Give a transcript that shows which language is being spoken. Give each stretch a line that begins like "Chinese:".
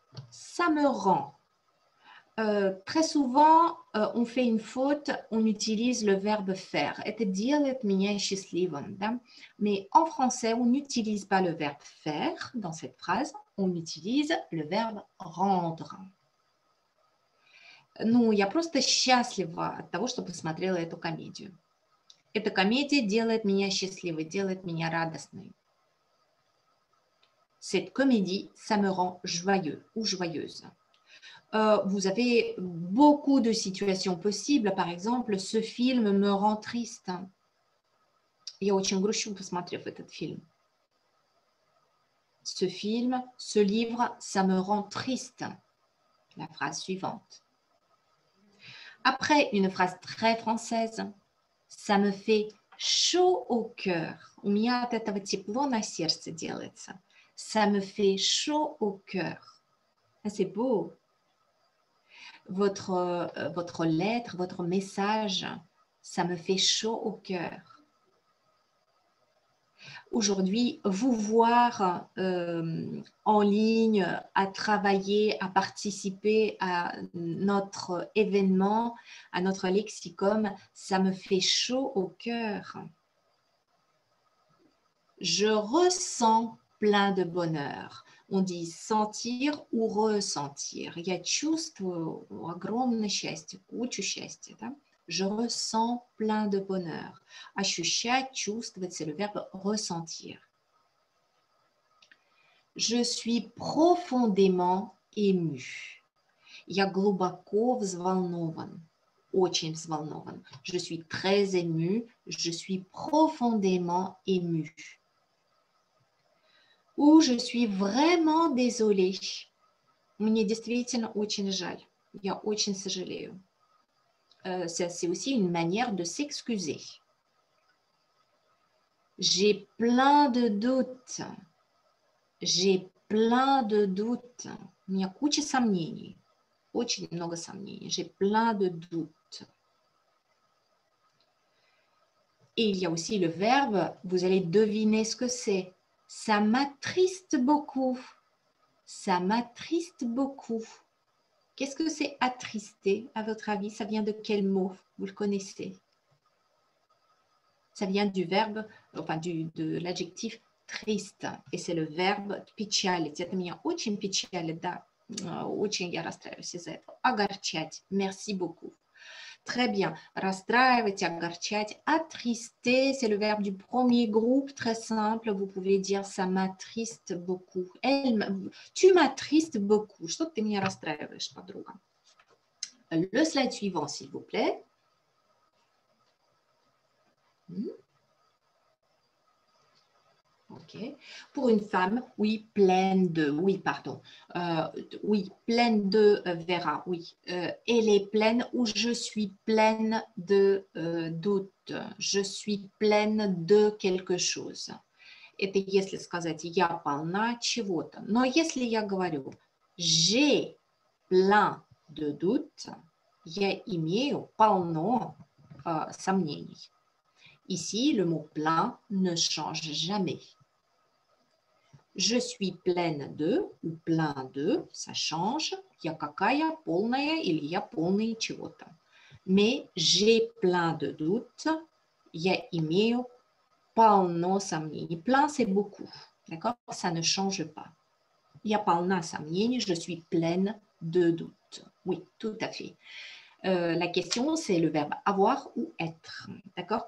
French: Ça me rend. Très souvent, on fait une faute, on utilise le verbe faire. Et dire
English: let me anxious live on.
French: Mais en français, on n'utilise pas le verbe faire dans cette phrase, on utilise le verbe rendre.
Russian: Ну, я просто счастлива от того, что посмотрела эту комедию. Эта комедия делает меня счастливой, делает меня радостной.
French: Cette comédie, ça me rend joyeux ou joyeuse. Vous avez beaucoup de situations possibles. Par exemple, ce film me rend triste.
Russian: Я очень грущу, посмотрев этот фильм.
French: Ce film, ce livre, ça me rend triste. La phrase suivante. Après, une phrase très française. Ça me fait chaud au cœur.
Russian: У меня от этого тепло на сердце делается.
French: Ça me fait chaud au cœur. C'est beau. Votre lettre, votre message, ça me fait chaud au cœur. Aujourd'hui, vous voir en ligne, à travailler, à participer à notre événement, à notre lexicum, ça me fait chaud au cœur. Je ressens plein de bonheur. On dit sentir ou ressentir.
Russian: Я чувствую огромное счастье, кучу счастья, да?
French: Je ressens plein de bonheur.
Russian: Ощущать, чувствовать,
French: c'est le verbe ressentir. Je suis profondément ému.
Russian: Я глубоко взволнован. Очень взволнован.
French: Je suis très ému. Je suis profondément ému. Ou je suis vraiment désolée.
Russian: Мне действительно очень жаль. Я очень сожалею.
French: C'est aussi une manière de s'excuser. J'ai plein de doutes. J'ai plein de doutes.
Russian: У меня куча сомнений. Очень много сомнений.
French: J'ai plein de doutes. Et il y a aussi le verbe, vous allez deviner ce que c'est. Ça m'attriste beaucoup. Ça m'attriste beaucoup. Qu'est-ce que c'est attrister, à votre avis? Ça vient de quel mot? Vous le connaissez? Ça vient du verbe, enfin de l'adjectif triste. Et c'est le verbe печалить.
Russian: Это меня очень печалит, да. Очень я расстраиваюсь из-за этого. Огорчать.
French: Merci beaucoup. Très bien.
Russian: Расстраивать, огорчать.
French: Attrister, c'est le verbe du premier groupe. Très simple. Vous pouvez dire ça m'attriste beaucoup. Tu m'attristes beaucoup.
Russian: Что ты меня расстраиваешь, подруга?
French: Le slide suivant, s'il vous plaît. Hmm? Okay. Pour une femme, oui, pleine de, oui, pardon, oui, pleine de Vera, oui, elle est pleine ou je suis pleine de doute, je suis pleine de quelque chose.
Russian: Это если сказать я полна чего-то. Но если я говорю
French: j'ai plein de doutes,
Russian: я имею полно сомнений.
French: Ici, le mot plein ne change jamais. Je suis pleine de ou plein de, ça change.
Russian: Я какая полная или я полный чего-то.
French: Mais j'ai plein de doutes,
Russian: я имею полно сомнений.
French: Plein, c'est beaucoup. D'accord? Ça ne change pas.
Russian: Я полна сомнений,
French: je suis pleine de doutes. Oui, tout à fait. La question, c'est le verbe avoir ou être. D'accord?